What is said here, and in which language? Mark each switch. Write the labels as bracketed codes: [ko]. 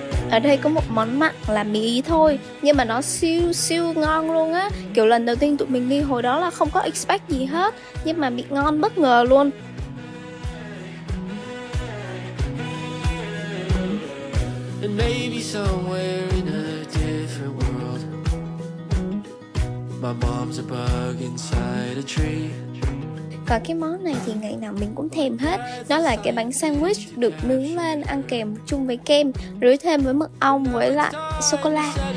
[vi] Ở đây có một món mặn là mì thôi, nhưng mà nó siêu siêu ngon luôn á. Kiểu lần đầu tiên tụi mình đi hồi đó là không có expect gì hết, nhưng mà bị ngon bất ngờ luôn. [en] And maybe somewhere in a different world, my mom's a bug inside a tree. [vi] Và cái món này thì ngày nào mình cũng thèm hết. Đó là cái bánh sandwich được nướng lên ăn kèm chung với kem, rưới thêm với mật ong với lại sô-cô-la.